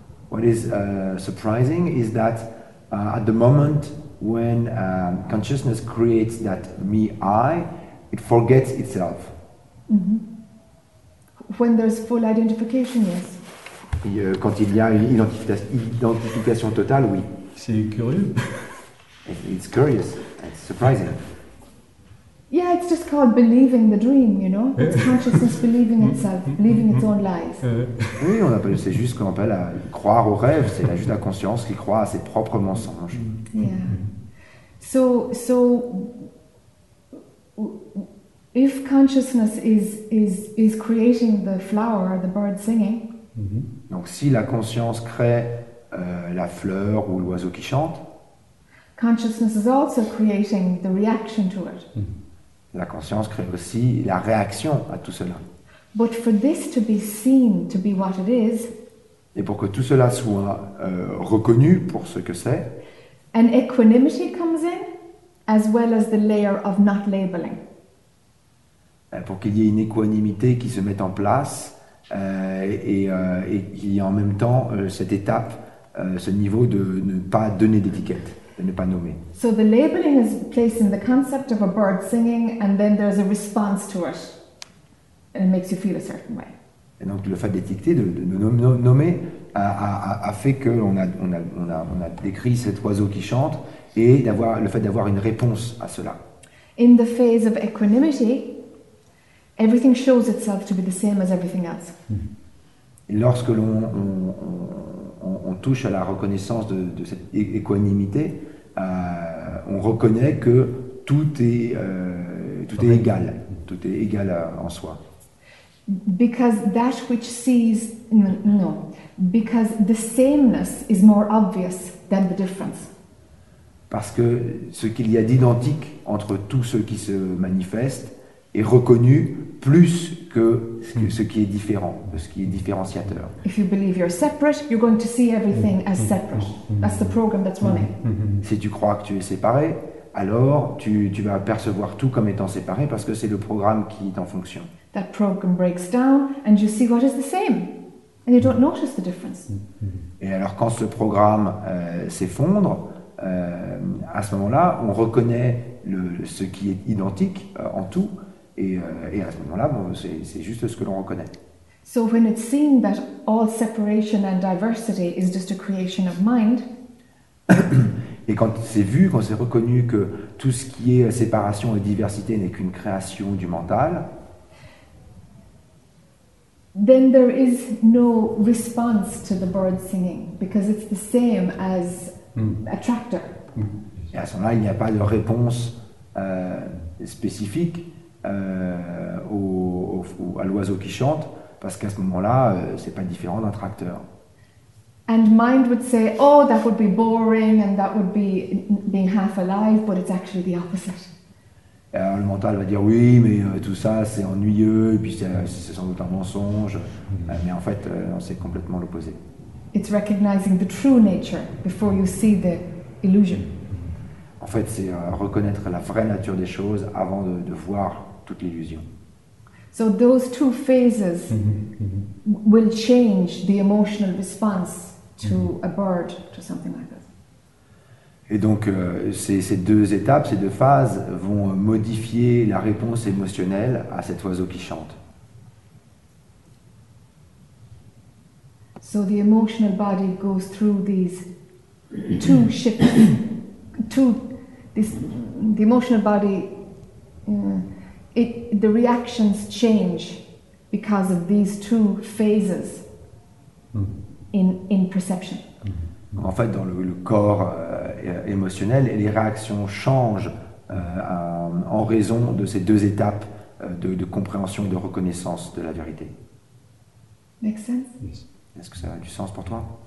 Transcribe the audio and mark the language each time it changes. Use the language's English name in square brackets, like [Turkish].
[English] What is surprising is that at the moment when consciousness creates that me-I, it forgets itself. Mm-hmm. When there's full identification, yes. [French] Et, quand il y a une identification totale, oui. C'est curieux. [English] It's curious. It's surprising. Yeah, it's just called believing the dream, you know? It's consciousness believing itself, believing its own lies. [French] Oui, on appelle, c'est juste qu'on appelle à croire au rêve, c'est juste la conscience qui croit à ses propres mensonges. [English] Yeah. So if consciousness is creating the flower, the bird singing. [French] Donc si la conscience crée la fleur ou l'oiseau qui chante. [English] Consciousness is also creating the reaction to it. [French] La conscience crée aussi la réaction à tout cela. [English] But for this to be seen to be what it is. [French] Et pour que tout cela soit reconnu pour ce que c'est. [English] An equanimity comes in. As well as the layer of not labeling. [French] Pour qu'il y ait une équanimité qui se mette en place et qu'il y ait en même temps cette étape, ce niveau de ne pas donner d'étiquette, de ne pas nommer. [English] So the labeling is placed in the concept of a bird singing, and then there's a response to it, and it makes you feel a certain way. [French] Et donc le fait d'étiqueter, de nommer, a fait que on a décrit cet oiseau qui chante. Et le fait d'avoir une réponse à cela. [English] In the phase of equanimity, everything shows itself to be the same as everything else. [French] Et lorsque on touche à la reconnaissance de cette équanimité, on reconnaît que tout est égal, tout est égal en soi. [English] Because that which sees no, because the sameness is more obvious than the difference. [French] Parce que ce qu'il y a d'identique entre tout ce qui se manifeste est reconnu plus que ce qui est différent, ce qui est différenciateur. [English] If you believe you're separate, you're going to see everything as separate. That's the program that's running. [French] Si tu crois que tu es séparé, alors tu vas percevoir tout comme étant séparé parce que c'est le programme qui est en fonction. [English] That program breaks down and you see what is the same. And you don't notice the difference. [French] Et alors quand ce programme s'effondre, à ce moment-là, on reconnaît ce qui est identique en tout, et à ce moment-là, bon, c'est juste ce que l'on reconnaît. [English] So when it's seen that all separation and diversity is just a creation of mind. [French] Et quand c'est vu, quand c'est reconnu que tout ce qui est séparation et diversité n'est qu'une création du mental. [English] Then there is no response to the bird singing because it's the same as. Attractor. [French] Et à ce moment-là, il n'y a pas de réponse spécifique à l'oiseau qui chante, parce qu'à ce moment-là, c'est pas différent d'un tracteur. [English] And mind would say, oh, that would be boring and that would be being half alive, but it's actually the opposite. [French] Alors le mental va dire oui, mais tout ça c'est ennuyeux, et puis c'est sans doute un mensonge, mais en fait c'est complètement l'opposé. [English] It's recognizing the true nature before you see the illusion. [French] En fait, c'est reconnaître la vraie nature des choses avant de voir toute l'illusion. [English] So those two phases will change the emotional response to a bird, to something like that. [French] Et donc, ces deux étapes, ces deux phases vont modifier la réponse émotionnelle à cet oiseau qui chante. [English] So the emotional body goes through these two shifts. The emotional body, the reactions change because of these two phases in perception. [French] En fait, dans le corps émotionnel, les réactions changent en raison de ces deux étapes de compréhension et de reconnaissance de la vérité. [English] Make sense? Yes. [French] Est-ce que ça a du sens pour toi?